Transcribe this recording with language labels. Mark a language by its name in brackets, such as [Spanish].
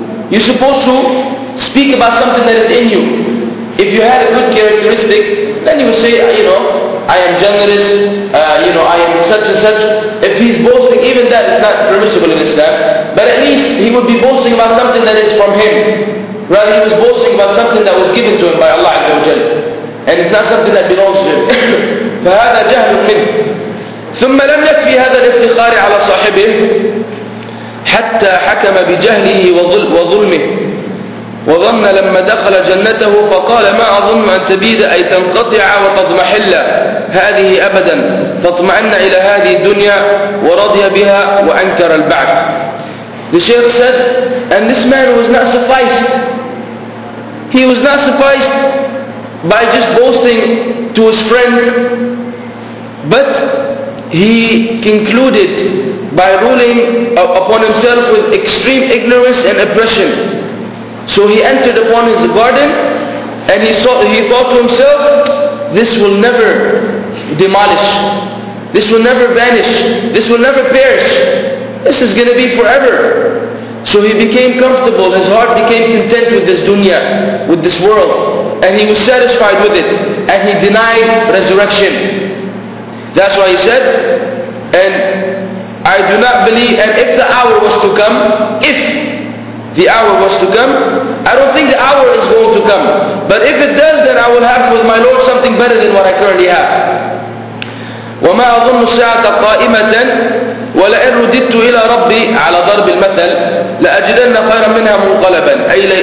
[English] You're supposed to speak about something that is in you. If you had a good characteristic, then you would say, you know, "I am generous, you know, I am such and such." If he's boasting, even that is not permissible in Islam. But at least he would be boasting about something that is from him. Rather, he was boasting about something that was given to him by Allah Azza wa Jal. And it's not something that belongs to him. [Arabic] فَهَذَا جَهْلٌ مِنْهُ ثُمَّ لَمْ يَكْفِي هَذَا الْإِفْتِخَارِ عَلَى صَاحِبِهِ حَتَّى حَكَمَ بِجَهْلِهِ وَظُلْمِهِ وظن لما دخل جنته فقال: "ما أظن أن تبيد أي تنقطع وتضمحل هذه أبدا، فاطمأن إلى هذه الدنيا ورضي بها وأنكر البعث." [English] The Shaykh said, and this man was not sufficed. He was not sufficed by just boasting to his friend, but he concluded by ruling upon himself with extreme ignorance and oppression. So he entered upon his garden and he thought to himself, "This will never demolish, this will never vanish, this will never perish, this is going to be forever." So he became comfortable, his heart became content with this dunya, with this world, and he was satisfied with it, and he denied resurrection. That's why he said, "And I do not believe, and if the hour was to come, if the hour was to come, I don't think the hour is going to come. But if it does, then I will have with my Lord something better than what I currently have." [Arabic] وَمَا أَظُنُّ السَّاعَةَ قَائِمَةً وَلَئِنْ رُدِدْتُ إِلَى رَبِّي عَلَى ضَرْبِ الْمَثَلِ لَأَجِدَنَّ خَيْرًا مِنْهَا مُنْقَلَبًا أي